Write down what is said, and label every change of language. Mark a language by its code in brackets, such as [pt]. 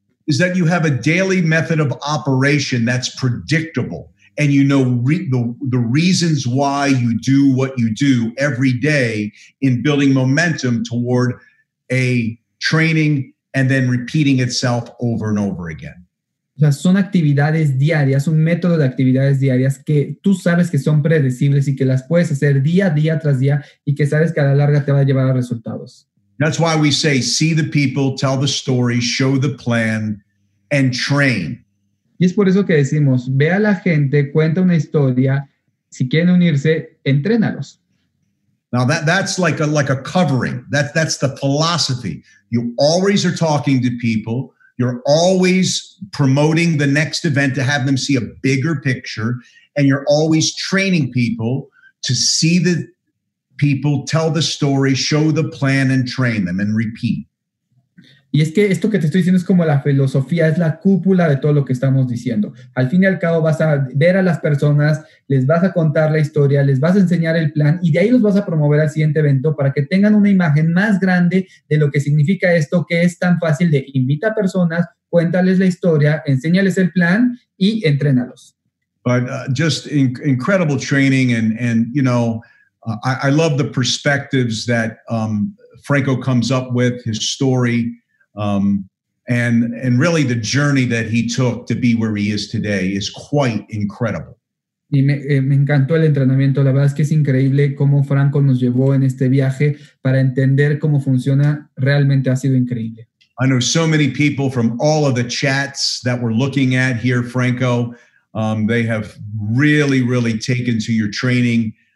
[en] Is that you have a daily method of operation that's predictable. And you know the reasons why you do what you do every day in building momentum toward a training and then repeating itself over and over again. [es] O sea, son actividades diarias, un método de actividades diarias que tú sabes que son predecibles y que las puedes hacer día a día tras día y que sabes que a la larga te va a llevar a resultados. [en] That's why we say, see the people, tell the story, show the plan, and train. [es] Y es por eso que decimos, ve a la gente, cuenta una historia, si quieren unirse, entrénalos. [en] Now that's like a covering, that's the philosophy. You always are talking to people. You're always promoting the next event to have them see a bigger picture, and you're always training people to see the people, tell the story, show the plan, and train them, and repeat. [es] Y es que esto que te estoy diciendo es como la filosofía, es la cúpula de todo lo que estamos diciendo. Al fin y al cabo vas a ver a las personas, les vas a contar la historia, les vas a enseñar el plan y de ahí los vas a promover al siguiente evento para que tengan una imagen más grande de lo que significa esto, que es tan fácil de invita a personas, cuéntales la historia, enséñales el plan y entrénalos. [en] But just incredible training and you know, I love the perspectives that Franco comes up with, his story. And really the journey that he took to be where he is today is quite incredible. [es] Y me encantó el entrenamiento. La verdad es que es increíble cómo Franco nos llevó en este viaje para entender cómo funciona. Realmente ha sido increíble. [en] I know so many people from all of the chats that we're looking at here, Franco. They have really, really taken to your training.